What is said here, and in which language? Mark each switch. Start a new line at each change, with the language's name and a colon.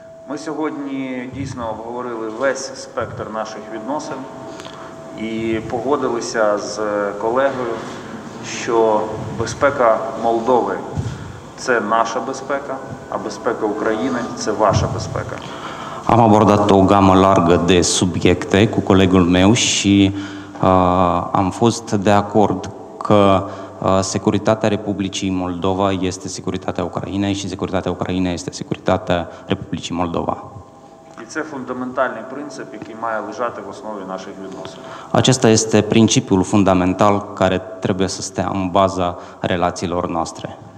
Ukrainian: Ми сьогодні дійсно обговорили весь спектр наших відносин і погодилися з колегою, що безпека Молдови це наша безпека, а безпека України це ваша безпека.
Romanian: Am abordat o gamă largă de subiecte cu colegul meu și am fost de acord că securitatea Republicii Moldova este securitatea Ucrainei și securitatea Ucrainei este securitatea Republicii Moldova.
Ukrainian: І це фундаментальний принцип, який має лежати в основі наших відносин.
Romanian: Acesta este principiul fundamental care trebuie să stea în baza relațiilor noastre.